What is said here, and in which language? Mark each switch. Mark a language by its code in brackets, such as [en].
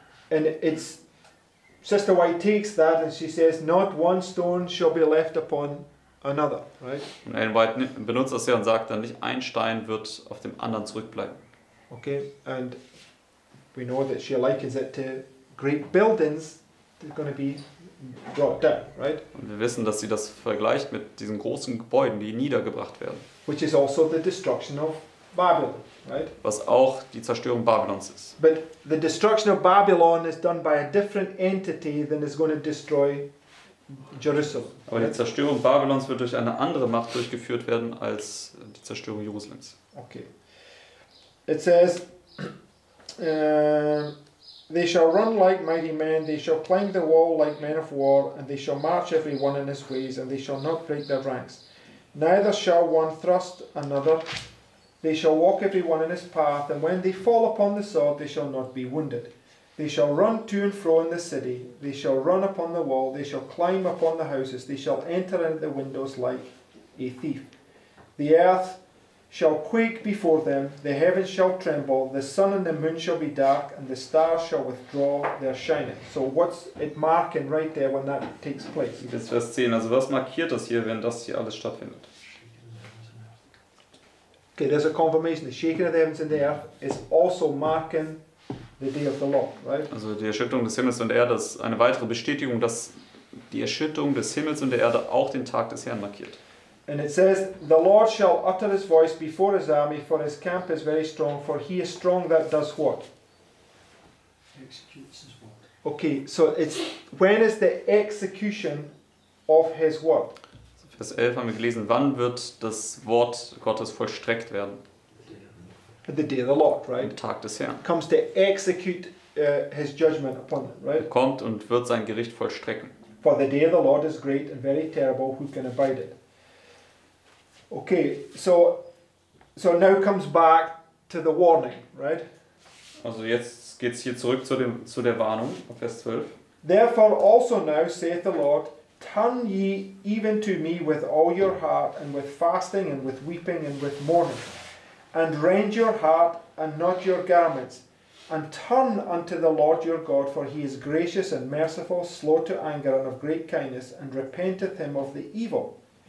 [en] And it's Sister White takes that and she says, not one stone shall be left upon another, right? [de] Und Ellen White benutzt das ja und sagt dann, nicht ein Stein wird auf dem anderen zurückbleiben. [en] Okay, and we know that she likens it to great buildings that are going to be brought down, right? [de] Und wir wissen, dass sie das vergleicht mit diesen großen Gebäuden, die niedergebracht werden. [en] Which is also the destruction of Babylon, right? [de] Was auch die Zerstörung Babylons ist. [en] But the destruction of Babylon is done by a different entity than is going to destroy Jerusalem. [de] Aber die Zerstörung Babylons wird durch eine andere Macht durchgeführt werden als die Zerstörung Jerusalems. [en] Okay. It says, they shall run like mighty men, they shall climb the wall like men of war, and they shall march every one in his ways, and they shall not break their ranks. Neither shall one thrust another, they shall walk every one in his path, and when they fall upon the sword, they shall not be wounded. They shall run to and fro in the city, they shall run upon the wall, they shall climb upon the houses, they shall enter in at the windows like a thief. The earth shall quake before them, the heavens shall tremble, the sun and the moon shall be dark, and the stars shall withdraw their shining. So what's it marking right there when that takes place? [de] Das ist Vers 10. Also was markiert das hier, wenn das hier alles stattfindet? [en] Okay, there's a confirmation. The shaking of the heavens and the earth is also marking the day of the Lord, right? [de] Also die Erschütterung des Himmels und der Erde ist eine weitere Bestätigung, dass die Erschütterung des Himmels und der Erde auch den Tag des Herrn markiert. [en] And it says, the Lord shall utter his voice before his army, for his camp is very strong, for he is strong that does what? Executes his word. Okay, so it's, when is the execution of his word? [de] Vers 11 haben wir gelesen, wann wird das Wort Gottes vollstreckt werden? [en] The day of the Lord, right? [de] Am Tag des Herrn. [en] Comes to execute his judgment upon them, right? [de] Er kommt und wird sein Gericht vollstrecken. [en] For the day of the Lord is great and very terrible, who can abide it? Okay, so now comes back to the warning, right? [de] Also jetzt geht's hier zurück zu dem zu der Warnung, Vers 12. [en] Therefore also now saith the Lord, turn ye even to me with all your heart, and with fasting, and with weeping, and with mourning. And rend your heart and not your garments. and turn unto the Lord your God, for he is gracious and merciful, slow to anger and of great kindness, and repenteth him of the evil.